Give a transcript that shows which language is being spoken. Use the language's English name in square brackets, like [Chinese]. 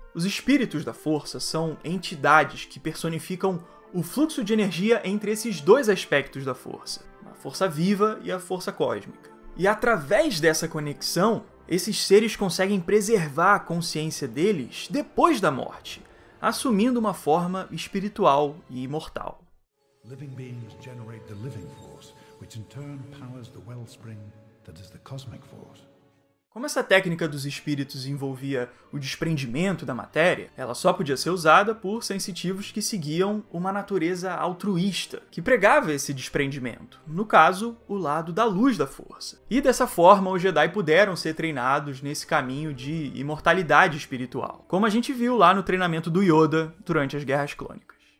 [Portuguese] Os Espíritos da Força são entidades que personificam o fluxo de energia entre esses dois aspectos da Força, a Força Viva e a Força Cósmica. E através dessa conexão, esses seres conseguem preservar a consciência deles depois da morte, assumindo uma forma espiritual e imortal. [English] Living beings generate the living force, which in turn powers the wellspring that is the cosmic force. [Portuguese] Como essa técnica dos espíritos envolvia o desprendimento da matéria, ela só podia ser usada por sensitivos que seguiam uma natureza altruísta, que pregava esse desprendimento, no caso, o lado da luz da força. E dessa forma, os Jedi puderam ser treinados nesse caminho de imortalidade espiritual, como a gente viu lá no treinamento do Yoda durante as Guerras Clônicas.